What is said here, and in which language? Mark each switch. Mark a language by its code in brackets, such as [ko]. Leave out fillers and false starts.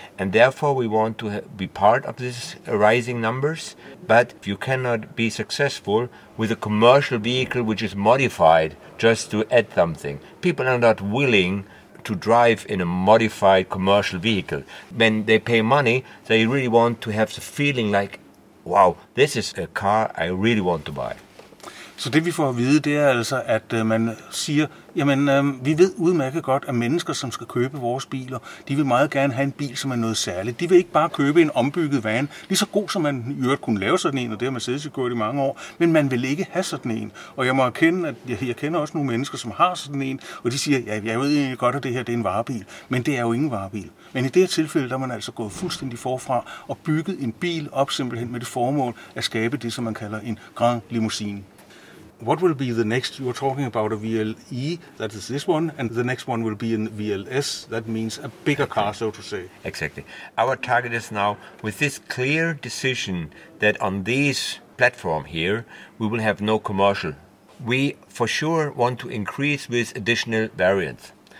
[en] And therefore we want to be part of this rising numbers, but you cannot be successful with a commercial vehicle which is modified just to add something. People are not willing to drive in a modified commercial vehicle. When they pay money, they really want to have the feeling like, wow, this is a car I really want to buy. [da] Så det vi får at vide, det er altså, at man siger, jamen vi ved udmærket godt, at mennesker, som skal købe vores biler, de vil meget gerne have en bil, som er noget særligt. De vil ikke bare købe en ombygget van, lige så god som man i øvrigt kunne lave sådan en, og det har Mercedes gjort i mange år, men man vil ikke have sådan en. Og jeg må erkende, at jeg kender også nogle mennesker, som har sådan en, og de siger, ja, jeg ved egentlig godt, at det her det er en varebil, men det er jo ingen varebil. Men i det her tilfælde, der er man altså gået fuldstændig forfra og bygget en bil op simpelthen med det formål at skabe det, som man kalder en grand limousine. [en] What will be the next? You're talking about a VLE, that is this one, and the next one will be in VLS, that means a bigger car, so to say. Exactly. Our target is now, with this clear decision that on this platform here, we will have no commercial. We for sure want to increase with additional variants.